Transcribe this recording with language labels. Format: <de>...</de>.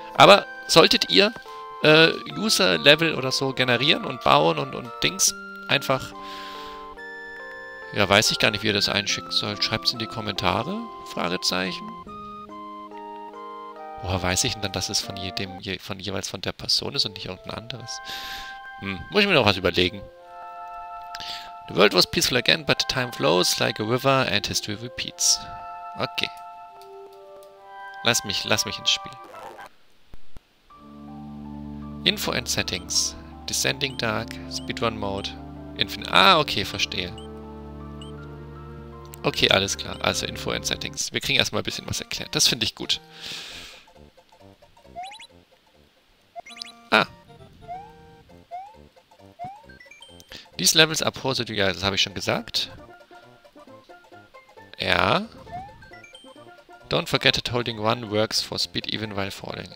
<de>Aber solltet ihr User-Level oder so generieren und bauen und Dings einfach. Ja, weiß ich gar nicht, wie ihr das einschicken sollt. Schreibt es in die Kommentare? Fragezeichen. Woher weiß ich denn dann, dass es von jedem, von jeweils von der Person ist und nicht irgendein anderes? Muss ich mir noch was überlegen.</de> <en>The world was peaceful again, but the time flows like a river and history repeats.</en> <de>Okay. Lass mich ins Spiel.</de> <en>Info and settings. Descending dark, Speedrun mode, Infinite. Ah, okay, verstehe.</en> <de>Okay, alles klar. Also</de> <en>Info and settings.</en> <de>Wir kriegen erstmal ein bisschen was erklärt. Das finde ich gut.</de> <en>These levels are poor,</en> <de>ja, das habe ich schon gesagt. Ja.</de> <en>Don't forget that holding one works for speed even while falling.</en>